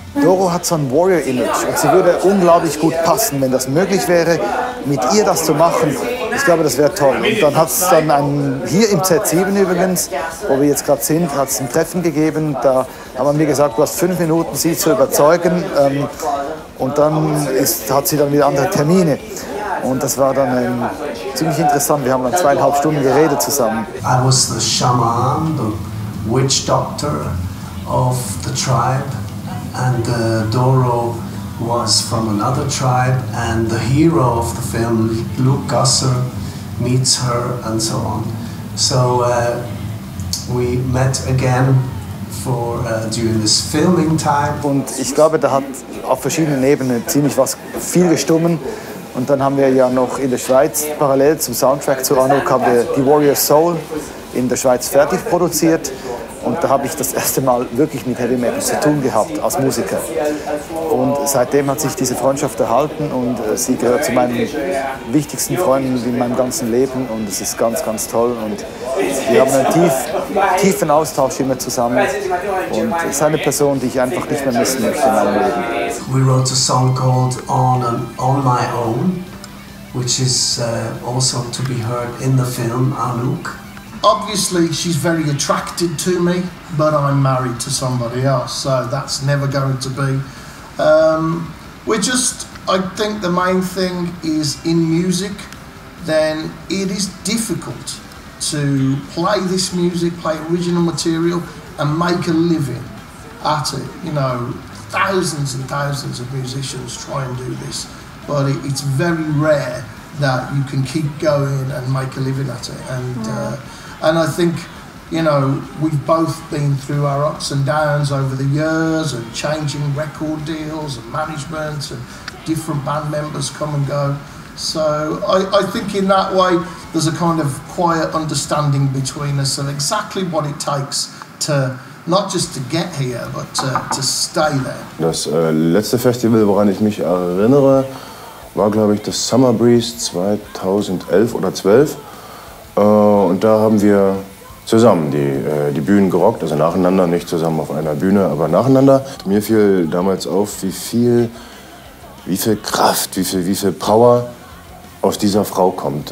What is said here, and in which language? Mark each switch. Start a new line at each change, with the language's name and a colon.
German: Doro hat so ein Warrior-Image und sie würde unglaublich gut passen, wenn das möglich wäre, mit ihr das zu machen. Ich glaube, das wäre toll. Und dann hat es dann hier im Z7 übrigens, wo wir jetzt gerade sind, hat es ein Treffen gegeben. Da haben wir gesagt, du hast 5 Minuten, sie zu überzeugen. Und dann hat sie dann wieder andere Termine. Und das war dann ziemlich interessant. Wir haben dann 2,5 Stunden geredet zusammen.
English: I was the shaman, the witch doctor of the tribe. And Doro was from another tribe. And the hero of the film, Luke Gasser, meets her and so on. So we met again. During this filming time.
German: Und ich glaube, da hat auf verschiedenen Ebenen ziemlich was viel gestummen. Und dann haben wir ja noch in der Schweiz parallel zum Soundtrack zu Anouk haben wir die Warrior Soul in der Schweiz fertig produziert. Und da habe ich das erste Mal wirklich mit Heavy Metal zu tun gehabt als Musiker. Und seitdem hat sich diese Freundschaft erhalten und sie gehört zu meinen wichtigsten Freunden in meinem ganzen Leben. Und es ist ganz, ganz toll. Und wir haben einen tiefen Austausch immer zusammen. Und es ist eine Person, die ich einfach nicht mehr missen möchte in meinem Leben.
English: We wrote a song called On My Own, which is also to be heard in the film Anouk. Obviously, she's very attracted to me, but I'm married to somebody else, so that's never going to be. I think the main thing is in music, then it is difficult to play this music, play original material, and make a living at it. You know, thousands and thousands of musicians try and do this, but it's very rare that you can keep going and make a living at it. And I think, you know, we've both been through our ups and downs over the years and changing record deals and management and different band members come and go. So I think in that way, there's a kind of quiet understanding between us of exactly what it takes to, not just to get here, but to stay there.
German: Das letzte Festival, woran ich mich erinnere, war, glaube ich, das Summer Breeze 2011 oder 12. Und da haben wir zusammen die Bühnen gerockt, also nacheinander, nicht zusammen auf einer Bühne, aber nacheinander. Mir fiel damals auf, wie viel Kraft, wie viel Power aus dieser Frau kommt.